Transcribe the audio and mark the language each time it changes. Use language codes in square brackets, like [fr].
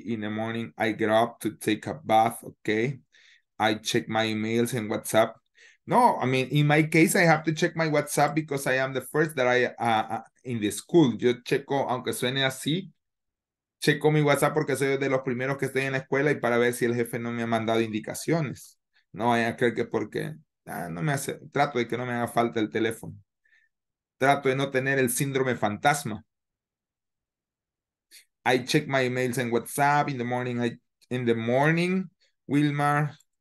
[en] In the morning, I get up to take a bath. Okay. I check my emails and WhatsApp. No, I mean, in my case, I have to check my WhatsApp because I am the first that I in the school. [es] Yo checo, aunque suene así, checo mi WhatsApp porque soy de los primeros que estoy en la escuela y para ver si el jefe no me ha mandado indicaciones. No vaya a creer que porque no me hace, trato de que no me haga falta el teléfono. Trato de no tener el síndrome fantasma. [en] I check my emails and WhatsApp in the morning. In the morning, Wilmar.